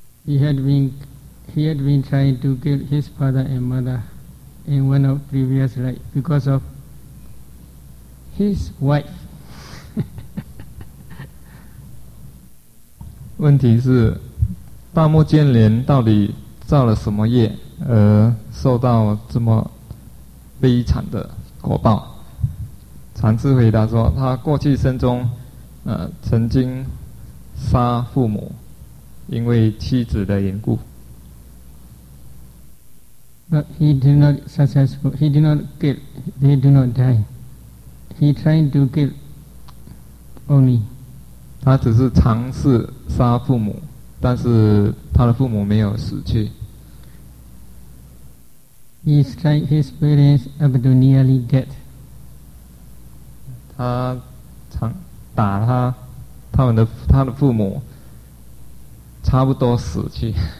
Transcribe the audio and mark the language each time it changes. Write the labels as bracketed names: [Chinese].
[English] He had been trying to kill his father and mother in one of previous life because of his wife. [Chinese] 问题是，大目犍连到底造了什么业，而受到这么悲惨的果报？禅师回答说，他过去生中，曾经杀父母，因为妻子的缘故。 [English] But he did not successful. He did not kill. They do not die. He tried to kill only. [Chinese] 他只是尝试杀父母，但是他的父母没有死去。 [English] He tried his parents up to nearly death. [Chinese] 他尝打他，他们的他的父母差不多死去。